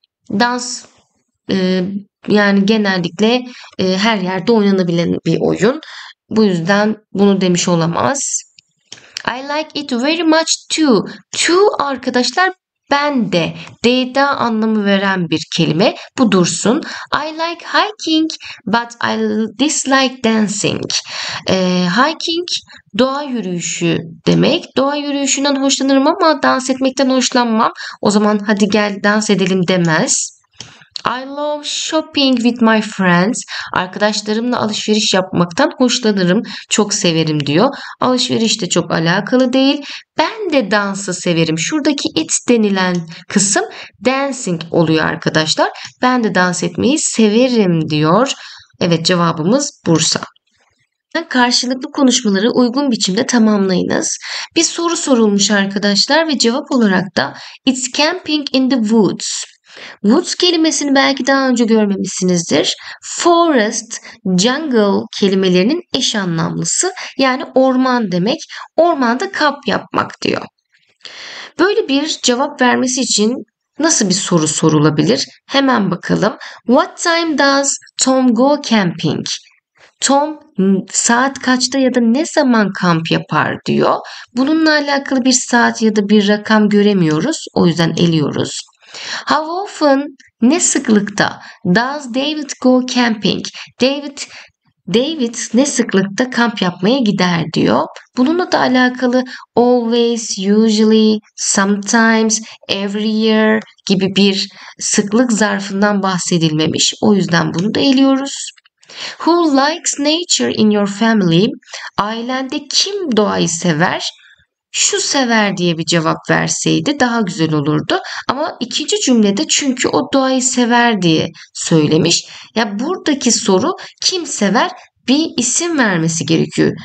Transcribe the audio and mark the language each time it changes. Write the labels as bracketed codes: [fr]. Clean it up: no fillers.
[tr] Dans yani genellikle her yerde oynanabilen bir oyun. Bu yüzden bunu demiş olamaz. [en] I like it very much too. [tr] Too arkadaşlar, ben de. De anlamı veren bir kelime. Bu dursun. [en] I like hiking but I dislike dancing. [tr] Hiking doğa yürüyüşü demek. Doğa yürüyüşünden hoşlanırım ama dans etmekten hoşlanmam. O zaman hadi gel dans edelim demez. [en] I love shopping with my friends. [tr] Arkadaşlarımla alışveriş yapmaktan hoşlanırım. Çok severim diyor. Alışveriş de çok alakalı değil. Ben de dansı severim. Şuradaki it denilen kısım dancing oluyor arkadaşlar. Ben de dans etmeyi severim diyor. Evet, cevabımız Bursa. Karşılıklı konuşmaları uygun biçimde tamamlayınız. Bir soru sorulmuş arkadaşlar ve cevap olarak da [en] It's camping in the woods. [tr] Woods kelimesini belki daha önce görmemişsinizdir. Forest, jungle kelimelerinin eş anlamlısı. Yani orman demek. Ormanda kamp yapmak diyor. Böyle bir cevap vermesi için nasıl bir soru sorulabilir? Hemen bakalım. [en] What time does Tom go camping? [tr] Tom saat kaçta ya da ne zaman kamp yapar diyor. Bununla alakalı bir saat ya da bir rakam göremiyoruz. O yüzden eliyoruz. [en] How often, [tr] ne sıklıkta [en] does David go camping? [tr] David ne sıklıkta kamp yapmaya gider diyor. Bununla da alakalı always, usually, sometimes, every year gibi bir sıklık zarfından bahsedilmemiş. O yüzden bunu da eliyoruz. [en] Who likes nature in your family? [tr] Ailende kim doğayı sever? Şu sever diye bir cevap verseydi daha güzel olurdu. Ama ikinci cümlede çünkü o doğayı sever diye söylemiş. Ya buradaki soru kim sever? Bir isim vermesi gerekiyor.